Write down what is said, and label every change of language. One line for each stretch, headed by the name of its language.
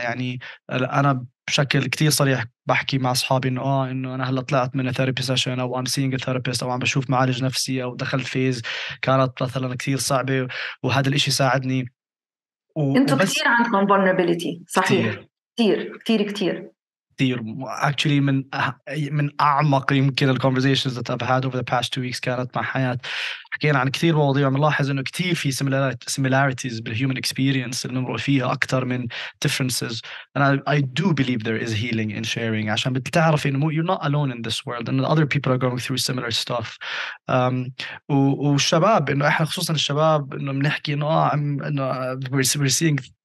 Arabic: يعني أنا بشكل كتير صريح بحكي مع أصحابي إنه إنه أنا هلا طلعت من ثيرابي سيشن أو
English: I'm seeing a therapist
Arabic: أو عم بشوف معالج نفسي أو دخلت فيز كانت مثلاً كتير صعبة وهذا الإشي ساعدني. أنتوا كتير عندكم vulnerability. صحيح. كتير.
English: كتير actually
Arabic: من أعمق يمكن الـ
English: conversations that I've had over the past two weeks
Arabic: كانت مع حياة. حكينا عن كثير مواضيع ونلاحظ إنه كثير في similarities بالhuman experience اللي نمر فيها أكثر من differences.
English: And I do believe there is healing in sharing,
Arabic: عشان بتعرف إنه
English: you're not alone in this world and other people are going through similar stuff.
Arabic: والشباب إنه إحنا خصوصا الشباب إنه بنحكي إنه
English: we're seeing